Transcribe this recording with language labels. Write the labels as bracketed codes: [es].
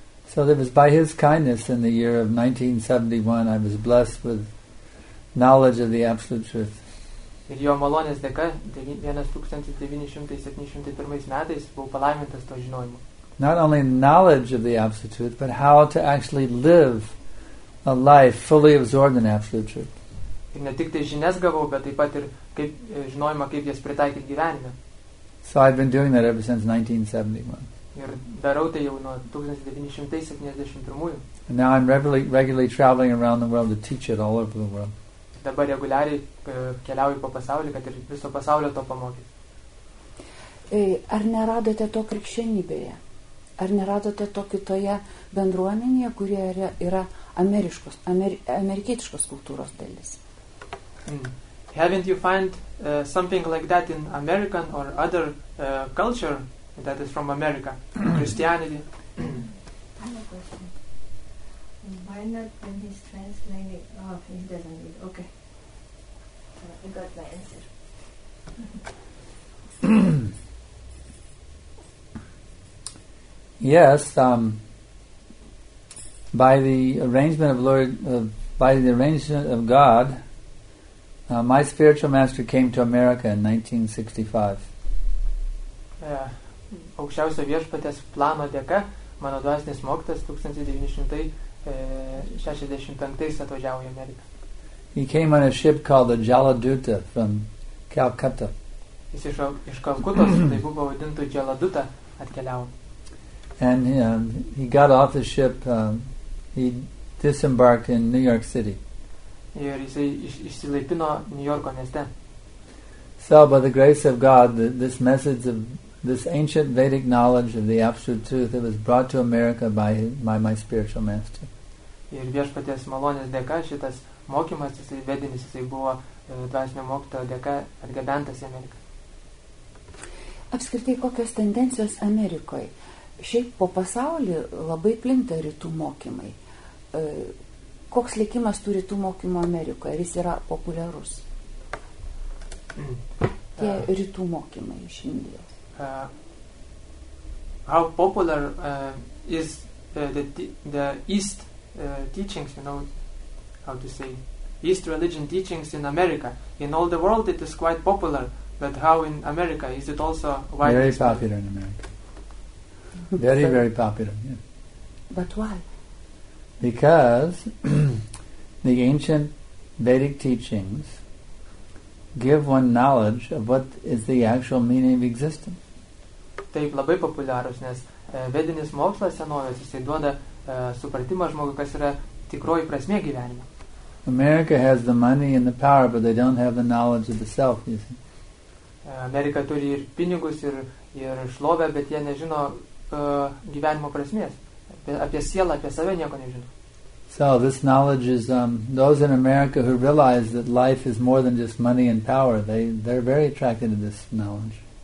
[en] So it was by his kindness in the year of 1971 I was blessed with knowledge of the Absolute Truth. [lt] Ir jo malonės dėka 1971 metais buvo palaimintas to žinojimu. [en] Not only knowledge of the Absolute Truth, but how to actually live a life fully absorbed in Absolute Truth. [lt] Ir ne tik tai žinias gavau, bet taip pat ir kaip žinojimą, kaip jas pritaikyti gyvenime. [en] So I've been doing that ever since 1971. [lt] Ir darau tai jau nuo 1971. [en] And now I'm regularly traveling around the world to teach it all over the world. [lt] Dabar reguliariai keliauju po pasaulį, kad ir viso pasaulio to pamokyt. Ar neradote to krikščionybėje? Ar neradote to kitoje bendruomenėje, kurie yra ameriškos, amerikietiškos kultūros dalis? [en] Haven't you find something like that in American or other culture that is from America, Christianity? I have a question. Why not when he's translating? Oh, he doesn't read. Okay. I got my answer. Yes, by the arrangement of Lord, by the arrangement of God, my spiritual master came to America in 1965. [lt] Aukščiausio viešpaties plano dėka, mano dvasinis mokytas 1965 atvažiavo į Ameriką. [en] He came on a ship called the Jaladuta from Calcutta. [lt] Jis iš Kalkutos, tai buvo vadintų Jaladuta, atkeliavo. [en] And he got off the ship, he disembarked in New York City. [lt] Ir jisai išsilaipino New Yorko mieste. [en] So, by the grace of God, this message of this ancient Vedic knowledge of the Absolute Truth, it was brought to America by my spiritual master. [lt] Ir viešpaties malonės dėka šitas mokymas, jisai vedinis, jisai buvo dvasinio mokytojo dėka atgabentas į Ameriką. Apskritai, kokios tendencijos Amerikoje? Šiaip po pasaulį labai plinta rytų mokymai. Koks likimas turi tų mokymų Amerikoje? Ar jis yra populiarus? Tie rytų mokymai iš Indijos. [en] How popular is the East teachings, you know, how to say, East religion teachings in America? In all the world it is quite popular, but how in America? Is it also widely? Very popular in America. Very, very popular, yeah. But why? Because the ancient Vedic teachings give one knowledge of what is the actual meaning of existence. [lt] Taip, labai populiarus, nes vedinis mokslas senovės, jisai duoda supratimą žmogui, kas yra tikroji prasmė gyvenimo. [en] America has the money and the power, but they don't have the knowledge of the self, you see. [lt] Amerika turi ir pinigus, ir šlovę, bet jie nežino gyvenimo prasmės. Apie sielą, apie save nieko nežino. [en] So this knowledge is those in America who realize that life is more than just money and power, they're very attracted to this knowledge.